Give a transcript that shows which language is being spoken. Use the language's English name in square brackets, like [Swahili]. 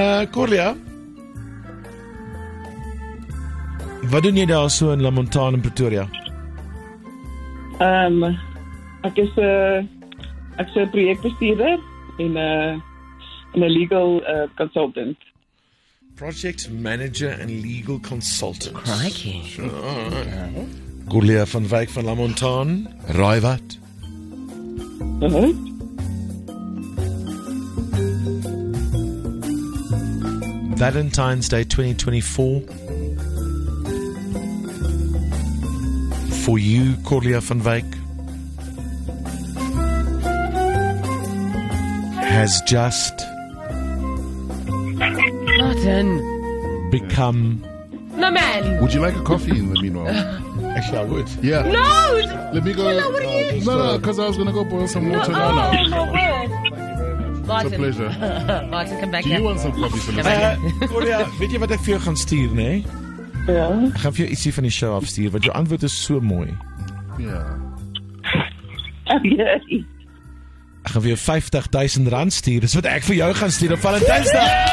[Afrikaans] Corlia, wat doen jy daar so in Lamontaan in Pretoria? Ek is 'n Ek is 'n projekbestuurder en 'n [English] legal consultant. Project manager and legal consultant. Crikey. Sure. Okay. [Afrikaans] Corlia van Wyk van Lamontaan. Raai wat? [English] Valentine's Day 2024. For you, Corlia van Wyk. Has just Martin. Become my man. Would you like a coffee in the meanwhile? Actually, I would. Yeah. No! Let me go. Well, no, what are you? No, no, because I was going to go boil some water now. Oh, my word. Thank you very much. Martin. It's a pleasure. Martin, come back here. Do you want some coffee for the [Afrikaans] Corlia, weet jy wat ek vir jou gaan stuur, nee? Ja. Ek gaan vir jou ietsie van die show afstuur, want jou antwoord is so mooi. Ja. [English] Yeah. [Afrikaans] Ek gaan vir jou 50,000 rand stuur. Dis wat ek vir jou gaan stuur op Valentynsdag.